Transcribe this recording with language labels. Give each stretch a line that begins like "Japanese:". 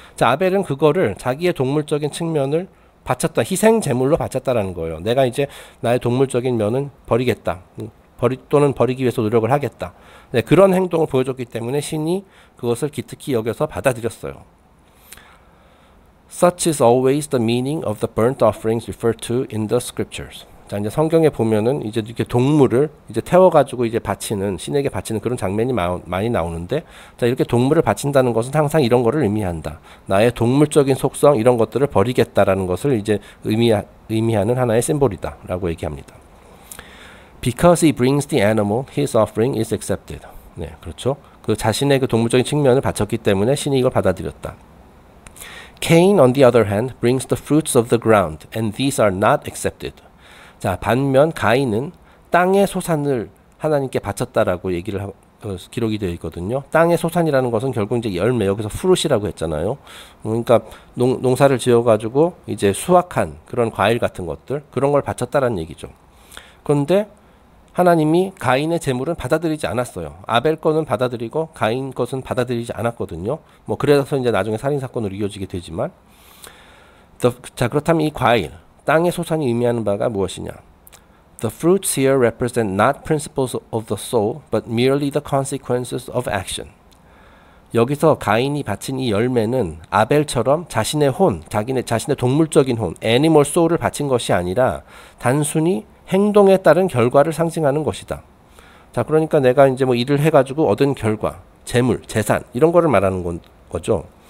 Korean: 자, 아벨은 그거를 자기의 동물적인 측면을 바쳤다. 희생 제물로 바쳤다라는 거예요. 내가 이제 나의 동물적인 면은 버리겠다. 또는 버리기 위해서 노력을 하겠다. 네, 그런 행동을 보여줬기 때문에 신이 그것을 기특히 여겨서 받아들였어요.
English: Such is always the meaning of the burnt offerings referred to in the scriptures.
Korean: 자, 이제 성경에 보면은 이제 이렇게 동물을 이제 태워가지고 이제 바치는, 신에게 바치는 그런 장면이 많이 나오는데, 자, 이렇게 동물을 바친다는 것은 항상 이런 거를 의미한다. 나의 동물적인 속성, 이런 것들을 버리겠다라는 것을 이제 의미하는 하나의 심볼이다라고 얘기합니다.
English: Because he brings the animal, his offering is accepted.
Korean: 네, 그렇죠. 그 자신의 그 동물적인 측면을 바쳤기 때문에 신이 이걸 받아들였다.
English: Cain, on the other hand, brings the fruits of the ground, and these are not accepted.
Korean: 자, 반면 가인은 땅의 소산을 하나님께 바쳤다라고 얘기를 기록이 되어 있거든요. 땅의 소산이라는 것은 결국 이제 열매, 여기서 후릇이라고 했잖아요. 그러니까 농사를 지어가지고 이제 수확한 그런 과일 같은 것들, 그런 걸 바쳤다라는 얘기죠. 그런데 하나님이 가인의 제물은 받아들이지 않았어요. 아벨 거는 받아들이고 가인 것은 받아들이지 않았거든요. 뭐 그래서 이제 나중에 살인사건으로 이어지게 되지만. 자, 그렇다면 이 과일. 땅의 소산이 의미하는 바가 무엇이냐?
English: The fruits here represent not principles of the soul, but merely the consequences of action.
Korean: 여기서 가인이 바친 이 열매는 아벨처럼 자신의 혼, 자신의 동물적인 혼,
English: animal soul
Korean: 을 바친 것이 아니라 단순히 행동에 따른 결과를 상징하는 것이다. 자, 그러니까 내가 이제 뭐 일을 해가지고 얻은 결과, 재물, 재산, 이런 거를 말하는 거죠.